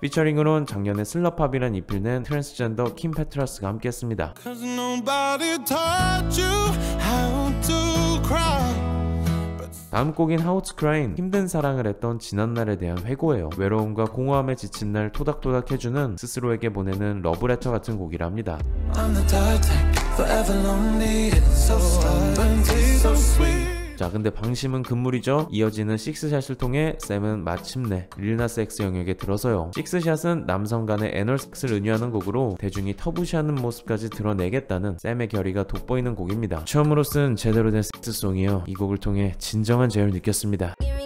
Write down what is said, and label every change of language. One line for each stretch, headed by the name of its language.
Korean: 피처링으로는 작년에 슬러팝이란 EP를 낸 트랜스젠더 킴 페트라스가 함께했습니다.
English: Cause nobody taught you how to cry.
Korean: 다음 곡인 How to Cry는 힘든 사랑을 했던 지난날에 대한 회고예요. 외로움과 공허함에 지친 날 토닥토닥 해주는 스스로에게 보내는 러브레터 같은 곡이라 합니다.
English: I'm the dark, forever lonely, it's so sweet, so sweet.
Korean: 자, 근데 방심은 금물이죠. 이어지는 식스샷을 통해 샘은 마침내 릴나스 X 영역에 들어서요. 식스샷은 남성 간의 애널섹스를 은유하는 곡으로 대중이 터부시하는 모습까지 드러내겠다는 샘의 결의가 돋보이는 곡입니다. 처음으로 쓴 제대로 된 섹스송이요. 이 곡을 통해 진정한 재열을 느꼈습니다.